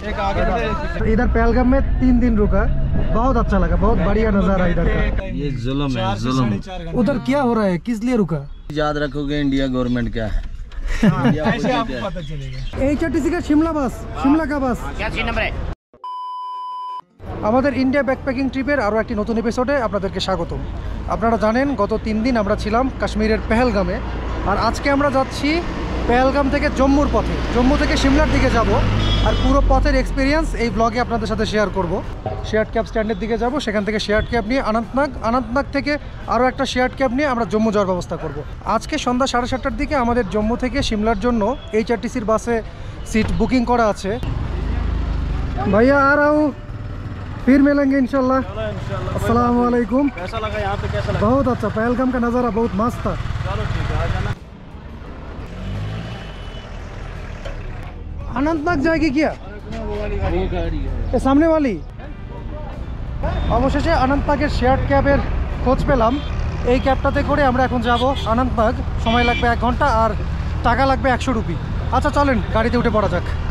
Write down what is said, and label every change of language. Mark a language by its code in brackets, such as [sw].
[hi] एक आगे इधर पहलगाम में 3 दिन रुका, बहुत अच्छा लगा, बहुत बढ़िया नजारा इधर का। ये जुल्म है, जुल्म। उधर क्या हो रहा है, किस लिए रुका? याद रखोगे इंडिया गवर्नमेंट क्या है। HRTC का शिमला बस, शिमला का बस। क्या सीन नंबर है? [bn] আমাদের ইন্ডিয়া ব্যাকপ্যাকিং ট্রিপের আরও একটি নতুন এপিসোডে আপনাদেরকে স্বাগতম। আপনারা জানেন গত 3 দিন আমরা ছিলাম কাশ্মীরের পহলগামে, আর আজকে আমরা যাচ্ছি পহলগাম থেকে জম্মুর পথে, জম্মু থেকে শিমলার দিকে যাব, আর পুরো পথের এক্সপিরিয়েন্স এই ব্লগে আপনাদের সাথে শেয়ার করব। শেয়ার্ড ক্যাব স্ট্যান্ডের দিকে যাব, সেখান থেকে শেয়ার্ড ক্যাব নিয়ে অনন্তনাগ, অনন্তনাগ থেকে আরও একটা শেয়ার্ড ক্যাব নিয়ে আমরা জম্মু যাওয়ার ব্যবস্থা করব। আজকে সন্ধ্যা 7:30টার দিকে আমাদের জম্মু থেকে শিমলার জন্য HRTC-র বাসে সিট বুকিং করা আছে। [hi] ভাইয়া আর আও, फिर मिलेंगे इंशाल्लाह। अस्सलाम वालेकुम। कैसा लगा यहाँ पे? कैसा लगा? बहुत अच्छा, पहलगाम का नज़ारा बहुत मस्त था। चलो ठीक है, आ जाना। अनंतनाग जाएगी क्या? वो गाड़ी है सामने वाली। [bn] अवशेषे अनंतनाग के शेयर्ड कैबेर खोज पेलाम। এই ক্যাবটাতে করে আমরা এখন যাব অনন্তনাগ। সময় লাগবে 1 ঘন্টা আর টাকা লাগবে 100 রুপি। আচ্ছা চলেন গাড়িতে উঠে পড়া যাক।